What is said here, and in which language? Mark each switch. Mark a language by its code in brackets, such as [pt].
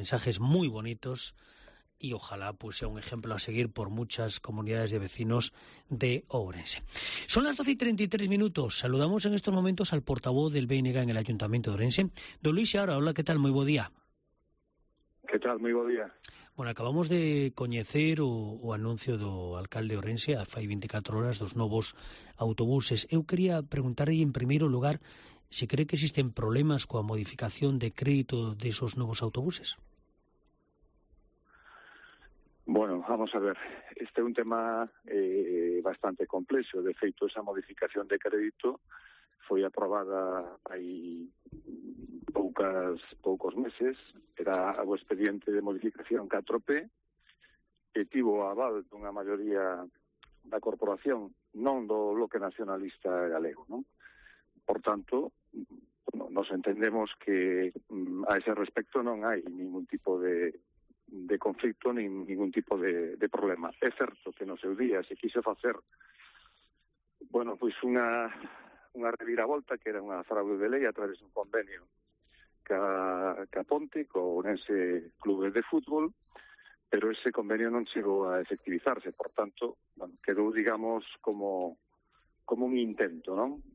[es] Mensajes muy bonitos y ojalá pues sea un ejemplo a seguir por muchas comunidades de vecinos de Ourense. Son las 12:33. Saludamos en estos momentos al portavoz del BNG en el Ayuntamiento de Ourense, don Luis Seara. Hola, ¿qué tal? Muy buen día. ¿Qué tal? Muy buen día. [gl] Bueno, acabamos de coñecer o anuncio do alcalde Ourense a fai 24 horas dos novos autobuses. Eu quería preguntar aí en primeiro lugar se cree que existen problemas coa modificación de crédito de esos novos autobuses. Bueno, vamos a ver. Este é un tema bastante complexo. De feito, esa modificación de crédito foi aprobada aí poucos meses. Era o expediente de modificación 4P, que tivo o aval dunha maioría da corporación, non do bloque nacionalista galego, non? Por tanto, nos entendemos que a ese respecto non hai ningún tipo de conflicto, nin ningún tipo de problema. É certo que no seu día se quiso facer, bueno, pois unha reviravolta, que era unha fraude de lei a través dun convenio ca Ponte, co Ourense Clube de Fútbol, pero ese convenio non chegou a efectivizarse, por tanto, bueno, quedou, digamos, como un intento, non?